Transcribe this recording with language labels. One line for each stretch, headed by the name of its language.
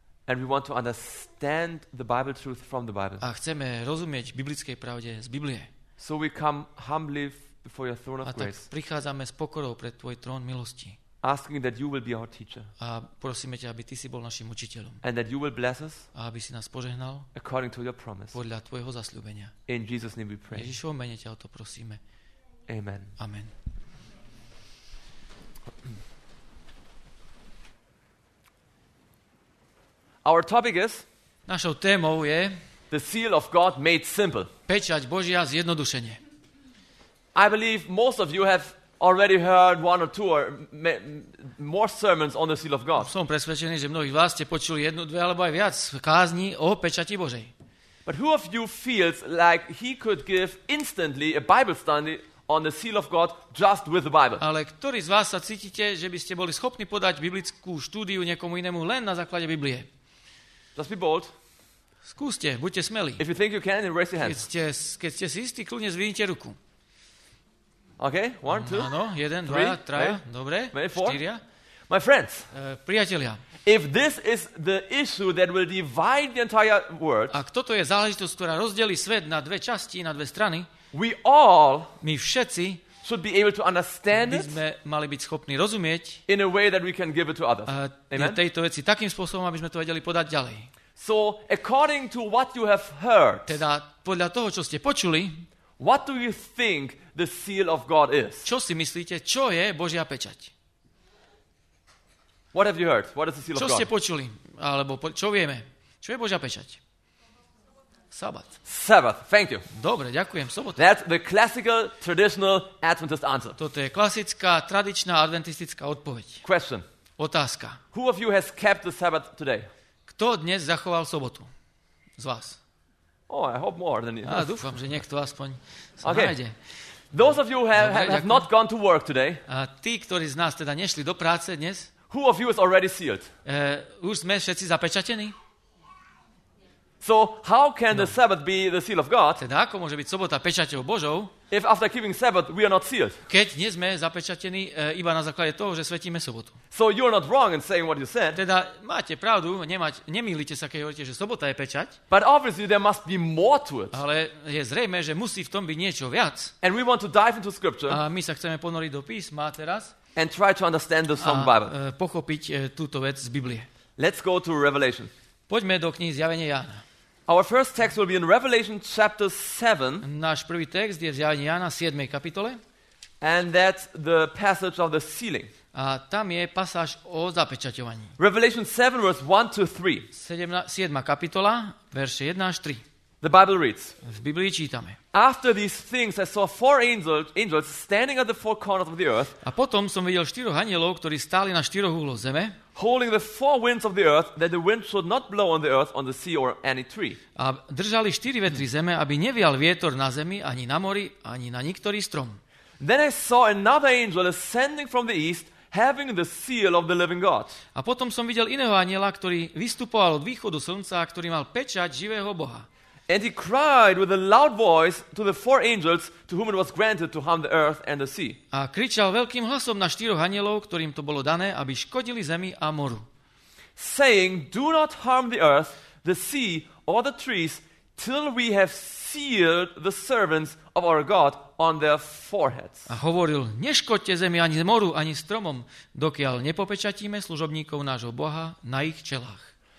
English: And we want to understand the Bible truth from the Bible.
Slovak: A chceme rozumieť biblickej pravde z Biblie.
English: So we come humbly before your throne of grace.
Slovak: A tak prichádzame s pokorou pred tvoj trón milosti.
English: Asking that you will be our teacher.
Slovak: A prosíme ťa, aby ty si bol našim učiteľom.
English: And that you will bless us.
Slovak: A aby si nás požehnal.
English: According to your promise.
Slovak: Podľa tvojho zasľúbenia.
English: In Jesus name we pray.
Slovak: Ježišovo mene ťa o to prosíme.
English: Amen.
Slovak: Amen.
English: Our topic is.
Slovak: Našou témou je.
English: The seal of God made simple.
Slovak: Pečať Božia zjednodušenie.
English: I believe most of you have already heard one or two or more sermons on the seal of God.
Slovak: Som presvedčený, že mnohí z vás ste počuli jednu, dve alebo aj viac kázni o pečati Božej.
English: But who of you feels like he could give instantly a Bible study on the seal of God just with the Bible?
Slovak: Ale ktorý z vás sa cítite, že by ste boli schopní podať biblickú štúdiu niekomu inému len na základe Biblie?
English: Just be bold.
Slovak: Skúste, buďte smelí.
English: If you think you can, raise your hand.
Slovak: Keď ste si istí, kľudne zvinite ruku.
English: Okay, one, two,
Slovak: áno, jeden,
English: three,
Slovak: dva, traja,
English: maybe,
Slovak: dobre,
English: maybe four.
Slovak: Štyria.
English: My friends,
Slovak: priatelia,
English: if this is the issue that will divide the entire world,
Slovak: ak toto je záležitosť, ktorá rozdelí svet na dve časti, na dve strany,
English: we all,
Slovak: my všetci,
English: should be able to understand it,
Slovak: by sme mali byť schopní rozumieť,
English: in a way that we can give it to others. Amen?
Slovak: Tejto veci takým spôsobom, aby sme to vedeli podať ďalej.
English: So according to what you have heard,
Slovak: teda podľa toho, čo ste počuli,
English: what do you think the seal of God is?
Slovak: Čo si myslíte, čo je Božia pečať?
English: What have you heard? What is the seal of God?
Slovak: Čo ste počuli? Alebo čo vieme? Čo je Božia pečať? Sabat.
English: Sabbath. Thank you.
Slovak: Dobre, ďakujem. Sobota.
English: That's the classical traditional Adventist answer.
Slovak: Toto je klasická tradičná adventistická odpoveď.
English: Question.
Slovak: Otázka.
English: Who of you has kept the Sabbath today?
Slovak: Kto dnes zachoval sobotu? Z vás.
English: Oh, I hope more than you.
Slovak: Ja dúfam, že niekto aspoň sa nájde.
English: Those of you have not gone to work today.
Slovak: A tí, ktorí z nás teda nešli do práce dnes.
English: Who of you is already sealed?
Slovak: Už sme všetci zapečatení?
English: So how can the Sabbath be the seal of God?
Slovak: Teda ako môže byť sobota pečaťou Božou?
English: If after keeping Sabbath we are not sealed.
Slovak: Keď nie sme zapečatení iba na základe toho, že svetíme sobotu.
English: So you are not wrong in saying what you said.
Slovak: Teda máte pravdu, nemýlite sa, keď hovoríte, že sobota je pečať.
English: But obviously there must be more to it.
Slovak: Ale je zrejme, že musí v tom byť niečo viac.
English: And we want to dive into scripture.
Slovak: A my sa chceme ponoriť do písma teraz.
English: And try to understand the song Bible.
Slovak: A pochopiť túto vec z Biblie.
English: Let's go to Revelation.
Slovak: Poďme do knihy Zjavenie Jána.
English: Our first text will be in Revelation chapter 7.
Slovak: Náš prvý text je v Zjavení Jána 7. kapitole.
English: And that's the passage of the sealing.
Slovak: A tam je pasáž o zapečaťovaní.
English: Revelation 7 verse 1 to 3.
Slovak: 7. kapitola, verše 1 až 3.
English: The Bible reads.
Slovak: V Biblii čítame.
English: After these things I saw four angels standing at the four corners of the earth.
Slovak: A potom som videl štyroch anielov, ktorí stáli na štyroch uhloch zeme.
English: Holding the four winds of the earth that the wind should not blow on the earth, on the sea or any tree.
Slovak: A držali štyri vetry zeme, aby nevial vietor na zemi, ani na mori, ani na niektorý strom.
English: Then I saw another angel ascending from the east, having the seal of the living God.
Slovak: A potom som videl iného aniela, ktorý vystupoval od východu slnca, ktorý mal pečať živého Boha.
English: And he cried with a loud voice to the four angels to whom it was granted to harm the earth and the sea.
Slovak: A kričal veľkým hlasom na štyroch anielov, ktorým to bolo dané, aby škodili zemi a moru.
English: Saying, do not harm the earth, the sea or the trees till we have sealed the servants of our God on their foreheads.
Slovak: A hovoril, neškodte zemi ani moru, ani stromom, dokiaľ nepopečatíme služobníkov nášho Boha na ich čelách.